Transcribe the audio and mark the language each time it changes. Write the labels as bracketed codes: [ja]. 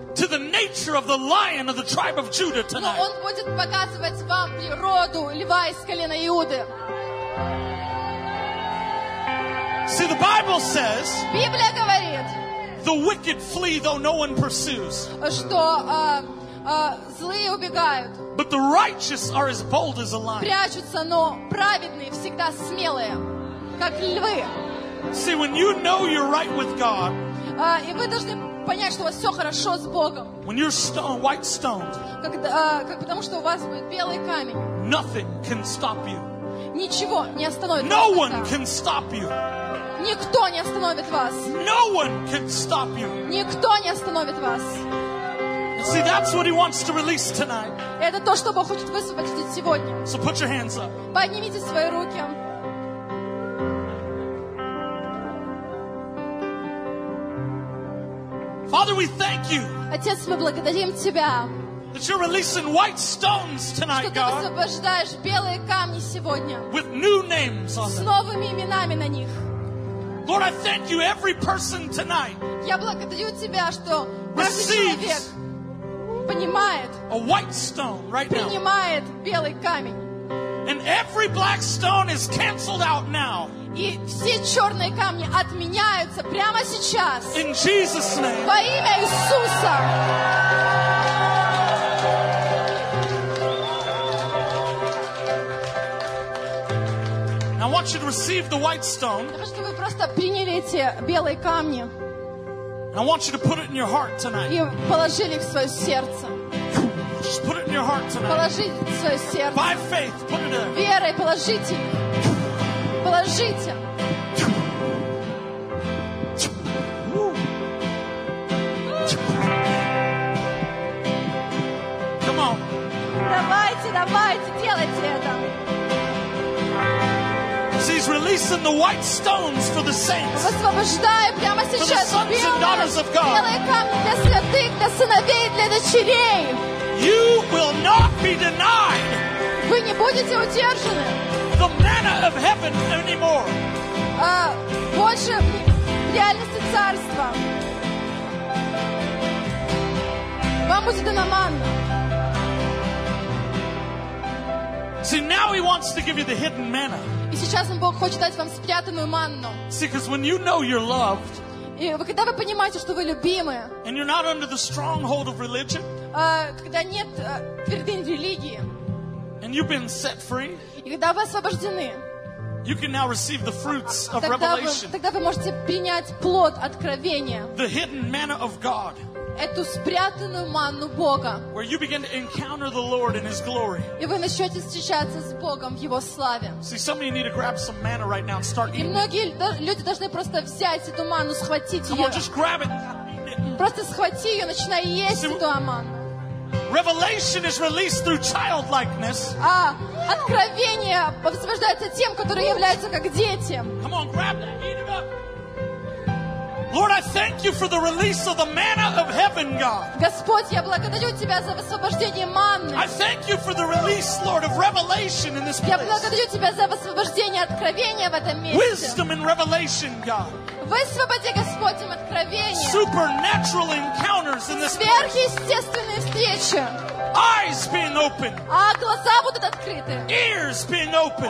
[en] To the nature of the lion of the tribe of Judah tonight. [ru] Но он будет показывать вам природу льва из колена Иуды. [en] See, the Bible says. [ru] Библия говорит. [en] The wicked flee, though no one pursues. [ru] Что злые убегают. [en] But the righteous are as bold as a lion. [ru] Прячутся, но праведные всегда смелые, как львы. [en] See, when you know you're right with God. [ru] И вы должны понять, что у вас все хорошо с Богом. [en] When you're stone, white stone, [ru] как потому что у вас будет белый камень. [en] Nothing can stop you. [ru] Ничего не остановит [en] no [ru] вас. [en] One can stop you. [ru] Никто не остановит вас. [en] No one can stop you. [ru] Никто не остановит вас. [en] See, that's what he wants to release tonight. [ru] Это то, что Бог хочет высвободить сегодня. [en] So put your hands up. [ru] Поднимите свои руки. [en] Father, we thank you. [ru] Отец, мы благодарим тебя. [en] That you're releasing white stones tonight, God. [ru] Что ты высвобождаешь белые камни сегодня. [en] With new names on them. [ru] С новыми именами на них. [en] Lord, I thank you every person tonight. [ru] Я благодарю тебя, что каждый человек понимает. [en] A white stone right now. [ru] Принимает белый камень. [en] And every black stone is canceled out now. [ru] И все черные камни отменяются прямо сейчас. [en] In Jesus' name. [ru] Во имя Иисуса. [en] Now I want you to receive the white stone. [ru] Я хочу, чтобы вы просто приняли эти белые камни. [en] And I want you to put it in your heart tonight. [ru] И положили их в свое сердце. [en] Just put it in your heart tonight. [ru] Положите в свое сердце. [en] By faith, put it in. [ru] Верой положите их. Положите. [en] Come on. [ru] Давайте, давайте, делайте это. [en] He's releasing the white stones for the saints. [ru] Высвобождаю прямо сейчас белые камни для святых, для сыновей, для дочерей. [en] You will not be denied. [ru] Вы не будете удержаны. [en] The manna of heaven anymore. [ru] Больше реальности царства. Вам будет дана манна. [en] See, now he wants to give you the hidden manna. [ru] И сейчас Бог хочет дать вам спрятанную манну. [en] See, because when you know you're loved. [ru] И когда вы понимаете, что вы любимы. [en] And you're not under the stronghold of religion. [ru] Когда нет твердынь религии. [en] And you've been set free. [ru] И когда вы освобождены. [en] You can now receive the fruits of revelation. [ru] Тогда вы можете принять плод откровения. [en] The hidden manna of God. [ru] эту спрятанную манну Бога. [en] Where you begin to encounter the Lord in His glory. [ru] И вы начнете встречаться с Богом в Его славе. [en] See, some of you need to grab some manna right now and start eating. [ru] И многие люди должны просто взять эту манну, схватить ее. [en] Come on, just grab it. [ru] Просто схвати ее, начинай есть эту манну. [en] Revelation is released through childlikeness. [ru] А откровение освобождается тем, которые являются как дети. [en] Come on, grab that, eat it up. Lord, I thank you for the release of the manna of heaven, God. [ru] Господь, я благодарю тебя за освобождение манны. [en] I thank you for the release, Lord, of revelation in this place. [ru] Я благодарю тебя за освобождение откровения в этом месте. [en] Wisdom and revelation, God. [ru] Высвободи, Господь, им откровение. [en] Supernatural encounters in this place. [ru] Сверхъестественные встречи. [en] Eyes being opened. [ru] А глаза будут открыты. [en] Ears being opened.